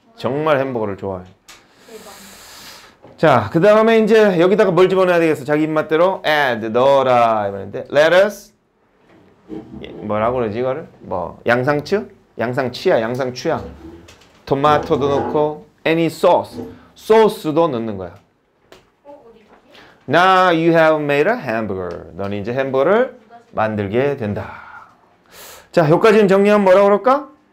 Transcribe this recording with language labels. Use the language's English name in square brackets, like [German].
[Korean] 정말 햄버거를 좋아해. 자, 그 다음에 이제 여기다가 뭘 집어넣어야 되겠어? 자기 입맛대로 add, 넣어라 이랬는데 lettuce 뭐라고 그러지 이거를? 뭐 양상추? 양상추야. 토마토도 넣고 [English] any sauce, [Korean] 소스도 넣는 거야. [English] Now you have made a hamburger. [Korean] 너는 이제 햄버거를 만들게 된다. 자, 여기까지는 정리하면 뭐라고 그럴까?